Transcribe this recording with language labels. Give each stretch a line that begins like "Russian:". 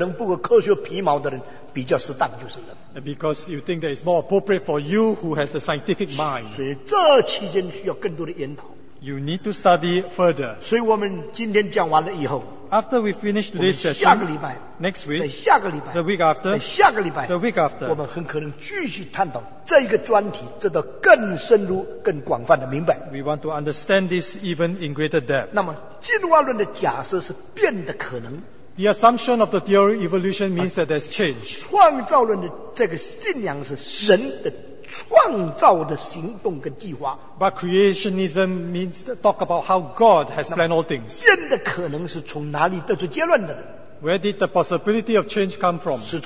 Chinese: 你接受进化论因为比较适合对你这个以为自己是有科学头脑其实可能不过科学皮毛的人比较适当就是了。
English: Because you think that it's more appropriate for you who has a scientific mind.
Chinese: 所以这期间需要更多的研讨。
English: You need to study further.
Chinese: 所以我们今天讲完了以后，
English: after we finish this session, next week,
Chinese: 在下个礼拜,
English: the week after,
Chinese: 在下个礼拜,
English: the week after,
Chinese: 我们很可能继续探讨这一个专题, 这个更深入, 更广泛的明白。
English: We want to understand this even in greater depth.
Chinese: 那么进化论的假设是变的可能。
English: The assumption of the theory of evolution means that there's change.
Chinese: 创造论的这个信仰是神的 创造的行动跟计划。
English: But creationism means to talk about how God has planned all things.
Chinese: 变的可能是从哪里得出结论的？
English: Where did the possibility of change come from?